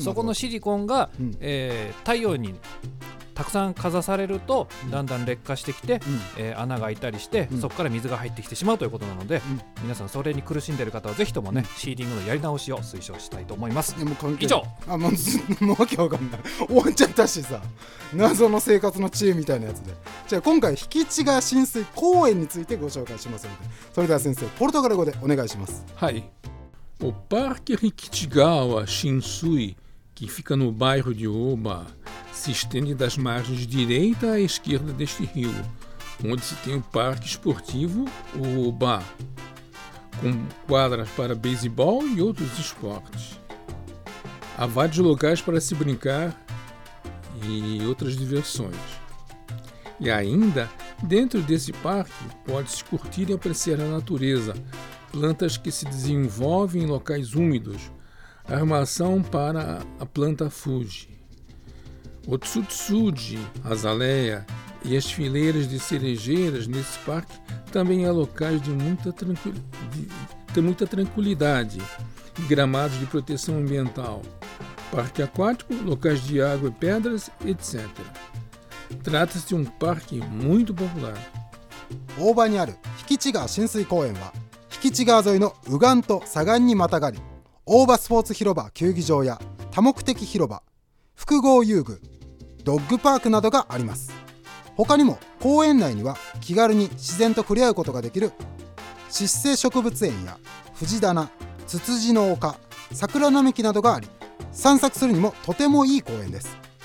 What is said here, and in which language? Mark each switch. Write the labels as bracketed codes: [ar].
[ja] そこのシリコンが、太陽にたくさんかざされるとだんだん劣化してきて、穴が開いたりして、そこから水が入ってきてしまうということなので、皆さんそれに苦しんでいる方はぜひともね、シーリングのやり直しを推奨したいと思います。もう以上。あ、もうわけわかんない、終わっちゃったしさ、謎の生活の知恵みたいなやつで。じゃあ今回引地川浸水公園についてご紹介しますので、それでは先生ポルトガル語でお願いします。はい、おパーク [pt] 引地川浸水que fica no bairro de Oba, se estende das margens direita à esquerda deste rio, onde se tem o parque esportivo Oba, com quadras para beisebol e outros esportes. Há vários locais para se brincar e outras diversões. E ainda, dentro desse parque, pode-se curtir e apreciar a natureza, plantas que se desenvolvem em locais úmidos, armação para a planta Fuji, Otsutsuji, azaleia e as fileiras de cerejeiras nesse parque também é locais de muita tranquilidade e gramados de proteção ambiental, parque aquático, locais de água e pedras, etc. Trata-se de um parque muito popular. [ja] Oba にある引地川浸水公園は引地川沿いの右岸と左岸にまたがり、大場スポーツ広場、球技場や多目的広場、複合遊具、ドッグパークなどがあります。他にも公園内には気軽に自然と触れ合うことができる湿生植物園や藤棚、ツツジの丘、桜並木などがあり、散策するにもとてもいい公園です。